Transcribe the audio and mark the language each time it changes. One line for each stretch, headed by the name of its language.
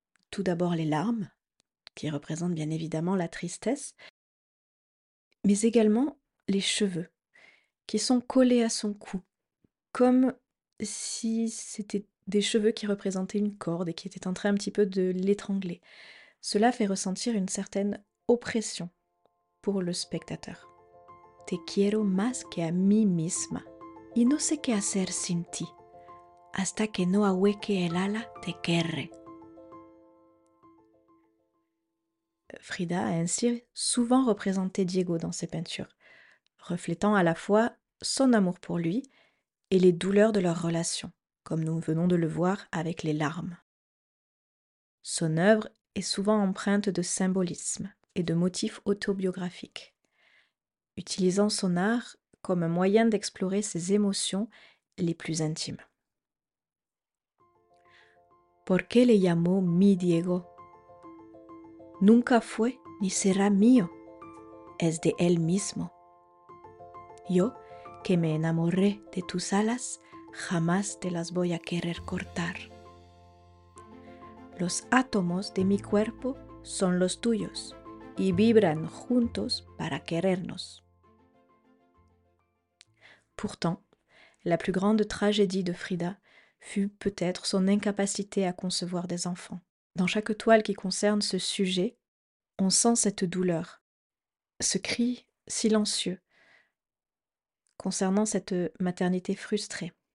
French: Tout d'abord les larmes, qui représentent bien évidemment la tristesse, mais également les cheveux, qui sont collés à son cou, comme si c'était des cheveux qui représentaient une corde et qui étaient en train un petit peu de l'étrangler. Cela fait ressentir une certaine oppression pour le spectateur.
Spanish: Te quiero más que a mí misma. Y no sé qué hacer sin ti. Hasta que no ahueque el ala te querré.
French: Frida a ainsi souvent représenté Diego dans ses peintures, reflétant à la fois son amour pour lui et les douleurs de leur relation, comme nous venons de le voir avec les larmes. Son œuvre est souvent empreinte de symbolisme et de motifs autobiographiques. utilisant son art comme un moyen d'explorer ses émotions les plus intimes.
Spanish: ¿Por qué le llamó mi Diego? Nunca fue ni será mío. Es de él mismo. Yo, que me enamoré de tus alas, jamás te las voy a querer cortar. Los átomos de mi cuerpo son los tuyos y vibran juntos para querernos.
French: Pourtant, la plus grande tragédie de Frida fut peut-être son incapacité à concevoir des enfants. Dans chaque toile qui concerne ce sujet, on sent cette douleur, ce cri silencieux concernant cette maternité frustrée.